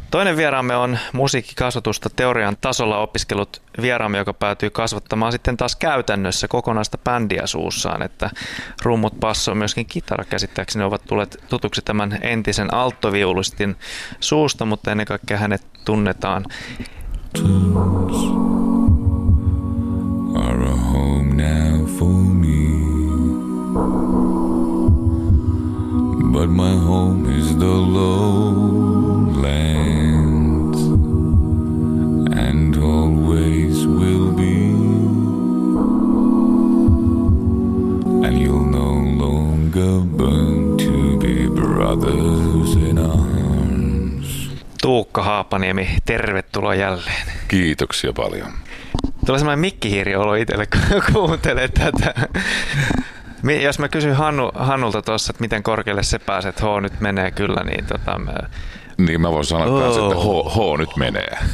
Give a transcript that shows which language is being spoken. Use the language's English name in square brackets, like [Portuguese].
[Finnish] Toinen vieraamme on musiikkikasvatusta teorian tasolla opiskellut vieraamme, joka päätyy kasvattamaan sitten taas käytännössä kokonaista bändiä suussaan, että rummut, basso, myöskin kitara käsittääkseni ovat tulleet tutuksi tämän entisen alttoviulistin suusta, mutta ennen kaikkea hänet tunnetaan. [English] Tunes are a home now for me, but my home is the lowland, and always will be, and you'll no longer burn to be brothers in arms. [Finnish] Tuukka Haapaniemi, tervetuloa jälleen. Kiitoksia paljon. Tulee semmoinen mikkihiiri olo itselle, kun kuuntelee tätä. Jos mä kysyn Hannulta tuossa, että miten korkealle se pääset, H nyt menee kyllä, niin tota... Niin mä voin sanoa, että H nyt menee.